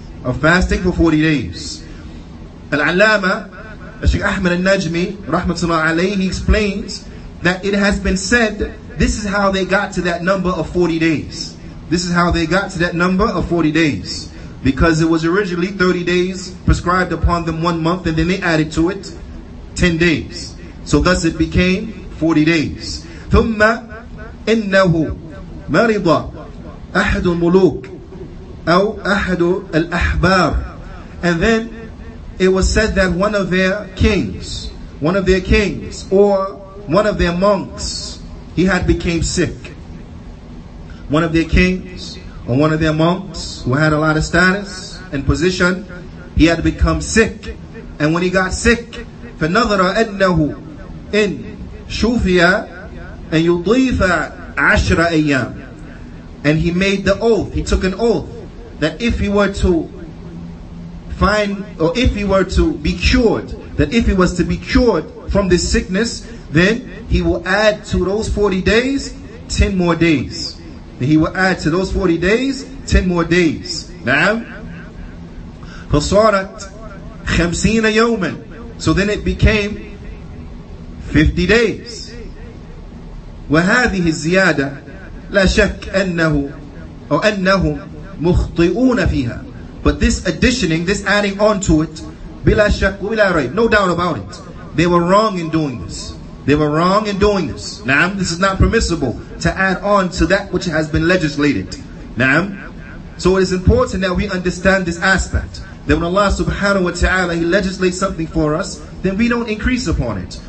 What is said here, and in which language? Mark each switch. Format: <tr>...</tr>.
<en>Of fasting for 40 days. Al-Allama, Sheikh Ahmed al-Najmi, rahmatullah alayhi, he explains that it has been said, this is how they got to that number of 40 days. This is how they got to that number of 40 days. Because it was originally 30 days prescribed upon them 1 month, and then they added to it 10 days. So thus it became 40 days.</en> <ar>ثُمَّ إِنَّهُ مَرِضَ أَحَدُ الْمُلُوكِ أَوْ أَحَدُ الْأَحْبَارِ.</ar> <en>And then it was said that one of their kings, or one of their monks, he had became sick. One of their kings, or one of their monks, who had a lot of status and position, he had become sick. And when he got sick,</en> <ar>فنظر أنه إن شوفي أن يضيف عشر أيام.</ar> <en>And he made the oath, he took an oath that if he were to find, or if he were to be cured, that if he was to be cured from this sickness, then he will add to those 40 days 10 more days. And he will add to those 40 days 10 more days. Now,</en> <ar>فصارت خمسين يوما.</ar> <en>So then it became 50 days.</en> <ar>وهذه الزيادة لا شك أنه أو أنهم مخطئون فيها.</ar> <en>But this additioning, this adding on to it,</en> <ar>بلا شك وبلا ريب,</ar> <en>no doubt about it, they were wrong in doing this. They were wrong in doing this. نعم, this is not permissible to add on to that which has been legislated. نعم, so it is important that we understand this aspect, that when Allah subhanahu wa ta'ala, He legislates something for us, then we don't increase upon it.</en>